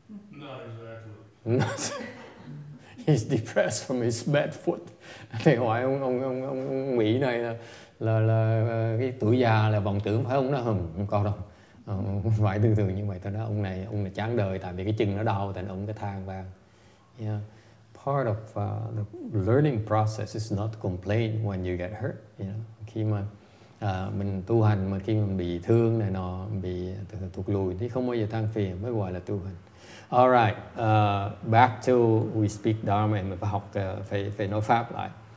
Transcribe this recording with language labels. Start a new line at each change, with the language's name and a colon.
English: Not exactly. He's depressed from his bad foot.
Vietnamese: Thầy hỏi ông Mỹ này là cái tuổi già là vọng tưởng phải không? Nó không có đâu. Phải tương tự như vậy thôi đó. Ông này chán đời tại vì cái chân nó đau, tại ông cái thang vào.
English: Yeah. Part of the learning process is not complain when you get hurt. You know,
Vietnamese: khi mà mình tu hành mà khi mình bị thương này nó bị thụt lùi thì không bao giờ than phiền mới gọi là tu hành.
English: Alright, back to we speak Dharma and
Vietnamese: phải học phải nói pháp lại.